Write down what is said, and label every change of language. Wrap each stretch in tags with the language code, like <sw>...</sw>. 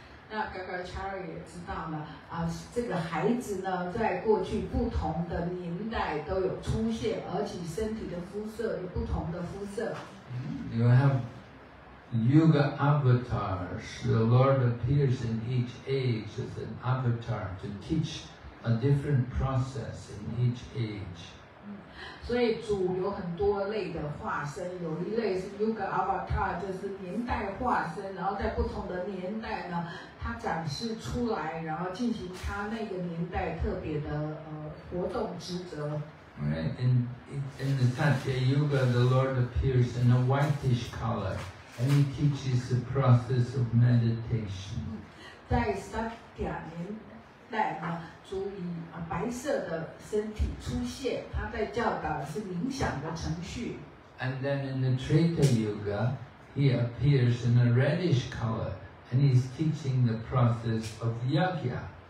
<zh>那 Gargacharya 也知道呢，这个孩子呢，在过去不同的年代都有出现，而且身体的肤色有不同的肤色。</zh> <en>You have Yuga avatars. The Lord appears in each age as an avatar to teach a different process in each age.</en> <zh>所以主有很多类的化身，有一类是 Yuga Avatar， 就是年代化身，然后在不同的年代呢，他展示出来，然后进行他那个年代特别的活动职责。</zh> <en>Right, in the Satya Yuga, the Lord appears in a whitish color, and he teaches the process of meditation.</en> <zh>在 Satya 年代呢，主以白色的身体出现，他在教导是冥想的程序。</zh> <en>And then in the Treta Yuga, he appears in a reddish color, and he's teaching the process of yajna.</en>